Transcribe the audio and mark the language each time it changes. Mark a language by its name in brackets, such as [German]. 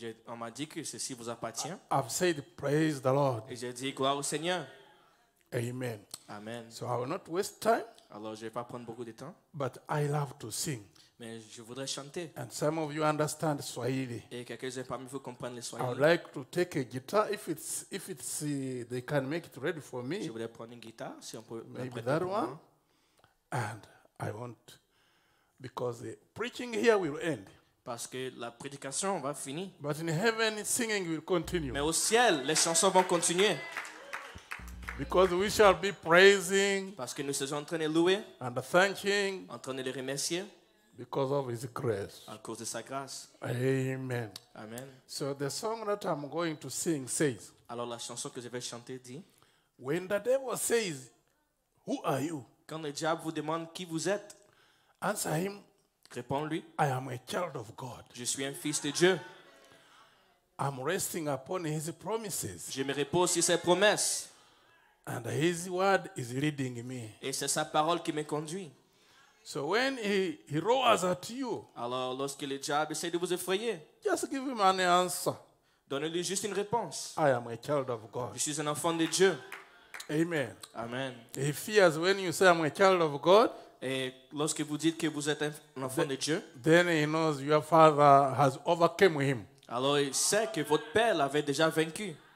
[French] On m'a dit que ceci vous appartient. [English] I've said praise the Lord. [French] Et j'ai dit gloire au Seigneur. Amen. Amen. [English] So I will not waste time. [French] Alors je vais pas prendre beaucoup de temps. [English] But I love to sing. [French] Mais je voudrais chanter. [English] And some of you understand Swahili. [French] Et quelques-uns parmi vous comprennent le Swahili. [English] I would like to take a guitar if it's they can make it ready for me. [French] Je voudrais prendre une guitare si on peut. [English] Maybe that one. And I want because the preaching here will end. [French] Parce que la prédication va finir. [English] But in heaven, singing will continue. [French] Mais au ciel, les chansons vont continuer. [English] Because we shall be praising. [French] Parce que nous serons en train de louer. [English] And thanking. [French] En train de le remercier. [English] Because of His grace. [French] À cause de sa grâce. Amen. Amen. [English] So the song that I'm going to sing says. [French] Alors la chanson que je vais chanter dit. [English] When the devil says, "Who are you?" [French] Quand le diable vous demande qui vous êtes. [English] Answer him. [French] Réponds-lui. [English] I am a child of God. [French] Je suis un fils de Dieu. [English] I'm resting upon His promises. [French] Je me repose sur ses promesses. [English] And His word is leading me. [French] Et c'est sa parole qui me conduit. [English] So when he roars at you, [French] alors lorsque le diable essaie de vous effrayer, [English] just give him an answer. [French] Donnez-lui juste une réponse. [English] I am a child of God. [French] Je suis un enfant de Dieu. Amen. Amen. [English] He fears when you say I'm a child of God. [French] Et lorsque vous dites que vous êtes un enfant de Dieu, [English] then he knows your father has overcome him. [French] Alors il sait que votre père l'avait déjà vaincu.